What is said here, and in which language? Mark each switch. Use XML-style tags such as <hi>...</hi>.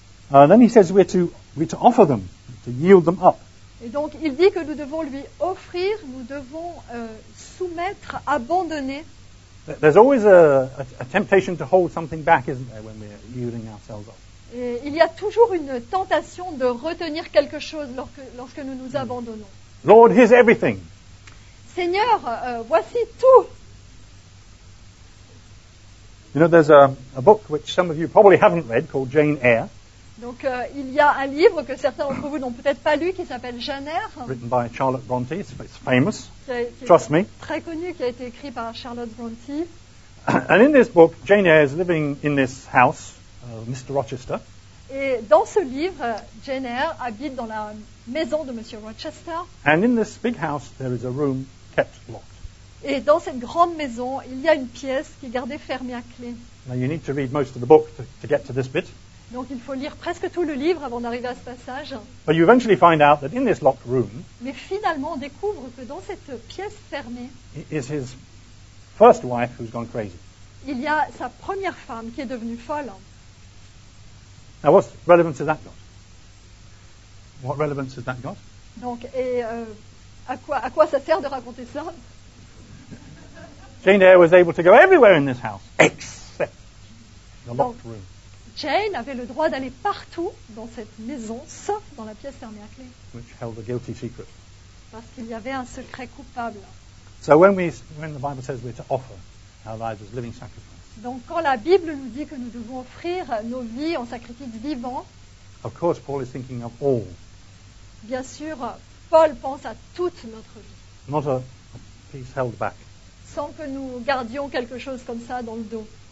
<en>Then he says we're to offer them, to yield them up.</en> <fr>Et donc il dit que nous devons lui offrir, nous devons soumettre, abandonner.</fr> <en>There's always a temptation to hold something back, isn't there, when we're yielding ourselves up?</en> <fr>Et il y a toujours une tentation de retenir quelque chose lorsque nous nous abandonnons.</fr> <en>Lord, here's everything.</en> <fr>Seigneur, voici tout.</fr> <en>You know, there's a book which some of you probably haven't read called Jane Eyre.</en> <fr>Donc, il y a un livre que certains d'entre vous n'ont peut-être pas lu qui s'appelle Jane Eyre.</fr> <en>Written by Charlotte Bronte. It's famous. Trust me.</en> <fr>Très connu, qui a été écrit par Charlotte Bronte.</fr> <en>And in this book, Jane Eyre is living in this house, Mr. Rochester.</en> <fr>Et dans ce livre, Jane Eyre habite dans la maison de Monsieur Rochester.</fr> <en>And in this big house, there is a room kept locked.</en> <fr>Et dans cette grande maison, il y a une pièce qui est gardée fermée à clé.</fr> <en>Now you need to read most of the book to get to this bit.</en> <fr>Donc il faut lire presque tout le livre avant d'arriver à ce passage.</fr> <en>But you eventually find out that in this locked room,</en> <fr>mais finalement on découvre que dans cette pièce fermée,</fr> <en>is his first wife who's gone crazy.</en> <fr>Il y a sa première femme qui est devenue folle.</fr> <en>Now what relevance has that got? What relevance has that got?</en> <fr>Donc, et à quoi ça sert de raconter ça?</fr> <en>Jane Eyre was able to go everywhere in this house except the locked</en> <fr>Donc,</fr> <en>room.</en> <fr>Jane avait le droit d'aller partout dans cette maison, sauf dans la pièce fermée à clé.</fr> <en>Which held a guilty secret.</en> <fr>Parce qu'il y avait un secret coupable.</fr> <en>So when the Bible says we're to offer our lives as living sacrifices.</en> <fr>Donc quand la Bible nous dit que nous devons offrir nos vies en sacrifice vivant.</fr> <en>Of course, Paul is thinking of all.</en> <fr>Bien sûr, Paul pense à toute notre vie.</fr> <en>Not a piece held back.</en> <fr>Sans que nous gardions quelque chose comme ça dans le dos.</fr>